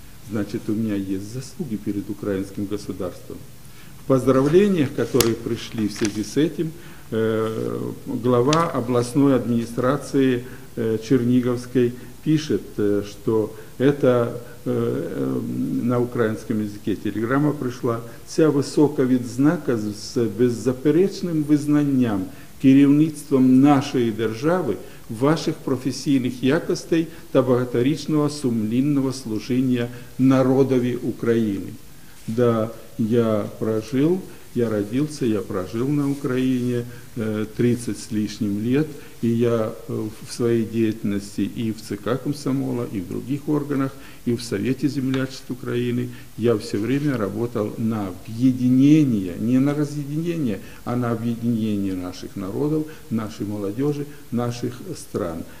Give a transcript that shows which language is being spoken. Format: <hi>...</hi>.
<ru>Значит, у меня есть заслуги перед украинским государством. В поздравлениях, которые пришли в связи с этим, глава областной администрации Черниговской пишет, что это на украинском языке телеграмма пришла.</ru> <uk>«Ця висока відзнака з беззаперечним визнанням керівництвом нашої держави, ваших професійних якостей та багаторічного сумлінного служіння народові України».</uk> <ru>Да, я прожив, я родился, я прожил на Украине 30 с лишним лет, и я в своей деятельности и в ЦК комсомола, и в других органах, и в Совете землячеств Украины, я все время работал на объединение, не на разъединение, а на объединение наших народов, нашей молодежи, наших стран.</ru>